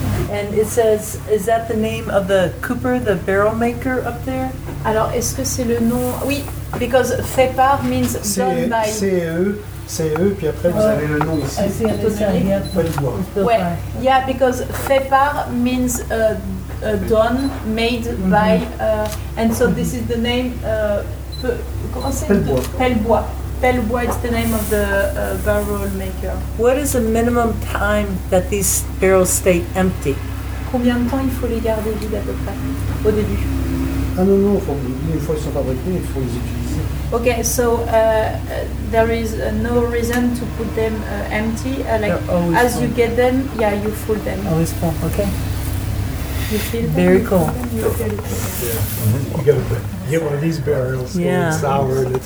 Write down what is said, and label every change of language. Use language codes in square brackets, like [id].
[en] And it says, is that the name of the cooper, the barrel maker up there? [fr] Alors, est-ce que c'est le nom? Oui, [en] because fait par means done by. [fr] C'est eux, puis après vous avez le nom ici. C'est un [en] tonnerre. Yeah, because fait par means done, made by. And so this is the name. [fr] Comment c'est? [en] Pellebois. Pellebois is the name of the barrel maker. What is the minimum time that these barrels stay empty? [fr] Combien de temps il faut les garder vides à peu près au début? Ah non, non, une fois ils sont fabriqués, il faut les utiliser. [en] Okay, so there is no reason to put them empty. Like as full. You get them, yeah, you fill them. Always full, okay. You fill them. Very cool. Get one of these barrels. Yeah. Sour.